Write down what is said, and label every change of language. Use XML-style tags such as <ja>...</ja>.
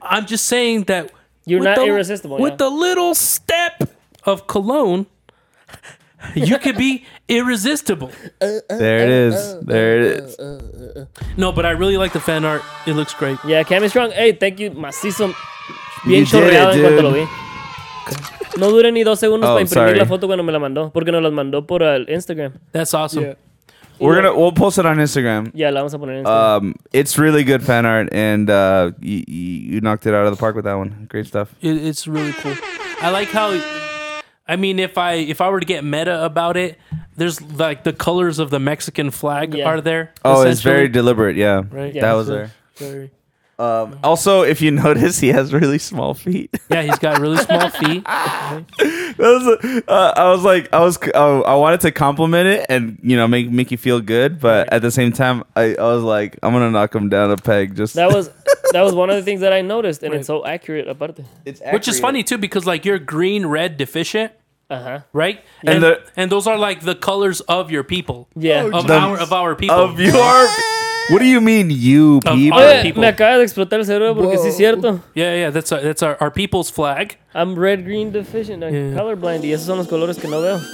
<en>I'm just saying that. You're not irresistible. With yeah. the little step of cologne. You could be irresistible. There it is. There it is. No, but I really like the fan art. It looks great. Yeah, Cammy Strong. Hey, thank you.</en> <es>Macizo. bien chorreado en cuanto lo vi. No duré ni dos segundos para imprimir la foto cuando me la mandó, porque nos la mandó por el Instagram.</es> <en>That's awesome. Yeah. We'll post it on Instagram.</en> <es>Yeah, la vamos a poner en Instagram.</es> <en>It's really good fan art, and you knocked it out of the park with that one. Great stuff. It's really cool. I like how, I mean, if I were to get meta about it, there's like the colors of the Mexican flag are there. Oh, it's very deliberate. Yeah, right. Yeah, that was there. Also, if you notice, he has really small feet. Yeah, he's got really small feet. I wanted to compliment it and, you know, make you feel good, but at the same time, I was like, I'm gonna knock him down a peg. Just that was one of the things that I noticed, and it's so accurate about it. It's accurate. Which is funny too, because like you're green red deficient, right? Yeah. And those are like the colors of your people. Yeah, of our people of your. What do you mean, you people?</en> <es>Me acaba de explotar el cerebro porque sí es cierto.</es> <en>Yeah, yeah, that's our people's flag. I'm red, green, deficient, colorblind.</en> <es>Y esos son los colores que no veo.</es>